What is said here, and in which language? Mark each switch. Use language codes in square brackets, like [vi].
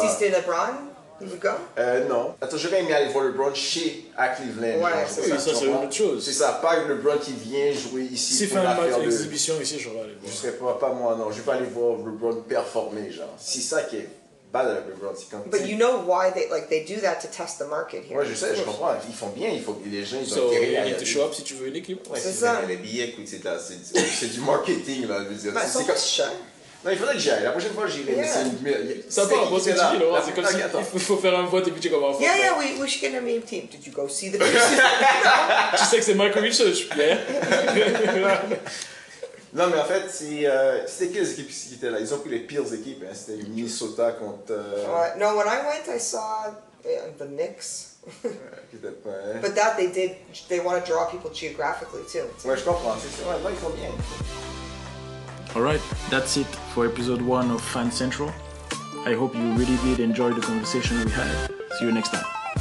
[fr] Si c'était LeBron, [en] you would go? [fr] Non. Attends, j'aurais aimé aller voir LeBron chez à Cleveland. Ouais, genre, c'est ça, c'est une autre chose. C'est ça, pas que LeBron qui vient jouer ici. Si pour fait un match d'exhibition ici, j'aurais allé voir. Je serais pas moi, non, je vais pas aller voir LeBron performer, genre. C'est ça qui est bad avec LeBron, c'est quand... [en] But you know why they do that to test the market here. [fr] Ouais, je sais, je comprends, ils font bien, il faut que les gens, ils ont intérêt à... [en] So, you need to show up [fr] si tu veux une équipe. Ouais, c'est ça. Les billets, écoute, c'est du marketing, là, je veux dire. Mais c'est cher. Non, il faudrait que j'y aille. La prochaine fois, j'irai. [en] Yeah. [fr] C'est une... Ça part, bon, c'est utile, Laurent. C'est comme si il faut faire un vote et puis tu commences. [en] Yeah, yeah, we should get a meme team. Did you go see the [fr] Tu sais que c'est Michael Richards, je plais. Non, mais en fait, c'était quelles équipes qui étaient là? Ils ont pris les pires équipes. Hein. C'était Minnesota contre... [en] Non, when I went, I saw the Knicks. But that, they want to draw people geographically, too. [fr] Ouais, je comprends. C'est vrai, là, ils font bien. [en] Alright, that's it for episode 1 of Fan Central. I hope you really did enjoy the conversation we had. See you next time.